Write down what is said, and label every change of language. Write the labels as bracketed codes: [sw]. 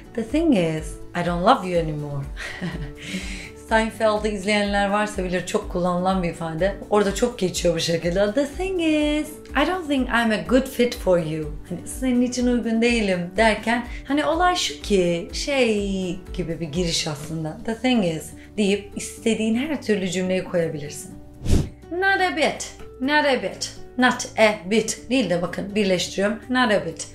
[en] The thing is, I don't love you anymore. [tr] Seinfeld'ı izleyenler varsa bilir, çok kullanılan bir ifade. Orada çok geçiyor bu şekilde. [en] The thing is, I don't think I'm a good fit for you. [tr] Hani senin için uygun değilim derken, hani olay şu ki, şey gibi bir giriş aslında. [en] The thing is [tr] deyip istediğin her türlü cümleyi koyabilirsin. [en] Not a bit. Not a bit [tr] değil de bakın birleştiriyorum. [en] Not a bit.